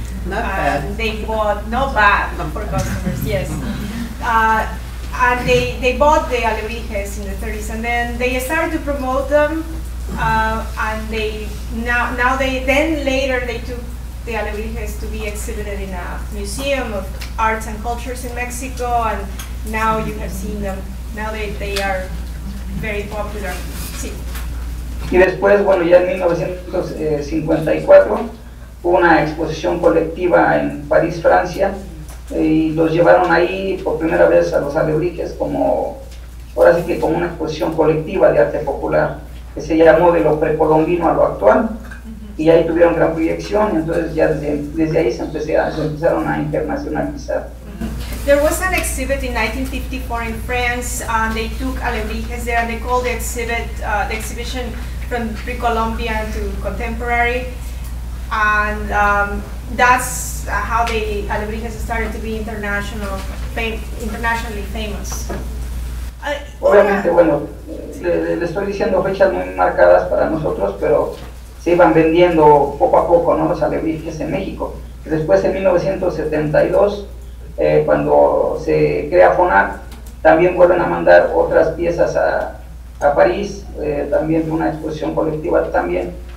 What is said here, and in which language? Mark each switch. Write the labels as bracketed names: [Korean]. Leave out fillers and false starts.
[English] And they bought the alebrijes in the 30s, and then they started to promote them. And they later they took the alebrijes to be exhibited in a museum of arts and cultures in Mexico, and now you have seen them. Now they are very popular. [Spanish] Sí. Y después, bueno, ya en 1954 hubo una exposición colectiva en París, Francia. Y los llevaron ahí por primera vez a los alebrijes como, ahora sí que como una exposición colectiva de arte popular que se llamó de lo precolombino a lo actual, y ahí tuvieron gran proyección, y entonces ya desde ahí se empezaron a internacionalizar. [English] There was an exhibit in 1954 in France, and they took alebrijes there, and they called the exhibition from precolombian to contemporary, and that's how the alebrijes started to be internationally famous. [Spanish] Obviamente, bueno, le estoy diciendo fechas muy marcadas para nosotros, pero se iban vendiendo poco a poco, ¿no?, los alebrijes en México. Después, en 1972, cuando se crea FONAC, también vuelven a mandar otras piezas a París, también una exposición colectiva también.